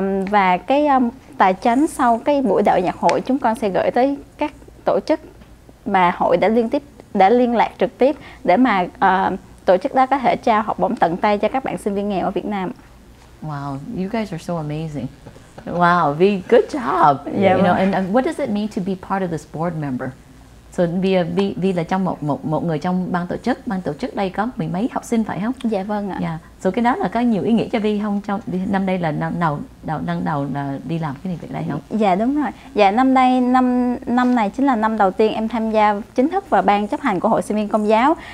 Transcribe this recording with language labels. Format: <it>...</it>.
<vi>Và cái tài chính sau cái buổi đại nhạc hội chúng con sẽ gửi tới các tổ chức mà hội đã liên lạc trực tiếp để mà tổ chức đó có thể trao học bổng tận tay cho các bạn sinh viên nghèo ở Việt Nam.</vi> <en>Wow, you guys are so amazing. Wow, V, good job. Yeah, you know, and what does it mean to be part of this board member?</en> <vi>So V là trong một người trong ban tổ chức đây có mười mấy học sinh phải không? Dạ vâng ạ. Yeah. So cái đó là có nhiều ý nghĩa cho V không, trong năm đây là năm đầu là đi làm cái này việc này không? Dạ đúng rồi. Dạ năm nay chính là năm đầu tiên em tham gia chính thức vào ban chấp hành của hội sinh viên công giáo.</vi>